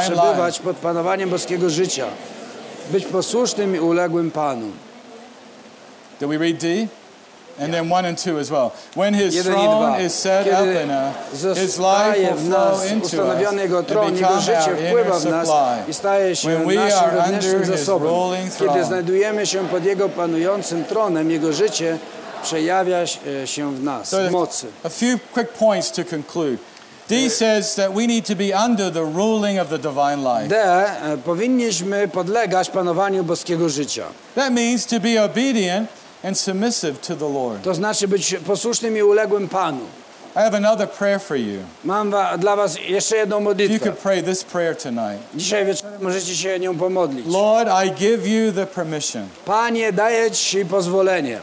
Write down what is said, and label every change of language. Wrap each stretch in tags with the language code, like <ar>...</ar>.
<pl>Przebywać pod panowaniem boskiego życia. Być posłusznym i uległym Panu.</pl> <en>Do we read D? And then 1 and 2 as well. When his throne is set up in us, his life will flow into us and become our inner supply. When we are under his ruling throne,</en> <pl>kiedy znajdujemy się pod jego panującym tronem, jego życie przejawia się w nas, so mocy.</pl> <en>A few quick points to conclude. D says that we need to be under the ruling of the divine life.</en> <pl>D, powinniśmy podlegać panowaniu boskiego życia.</pl> <en>That means to be obedient and submissive to the Lord.</en> <pl>To znaczy być posłusznym i uległym Panu.</pl> <en>I have another prayer for you.</en> <pl>Mam dla was jeszcze jedną modlitwę.</pl> <en>You could pray this prayer tonight.</en> <pl>Dzisiaj wieczorem możecie się nią pomodlić.</pl> <en>Lord, I give you the permission.</en> <pl>Panie, daję ci pozwolenie.</pl>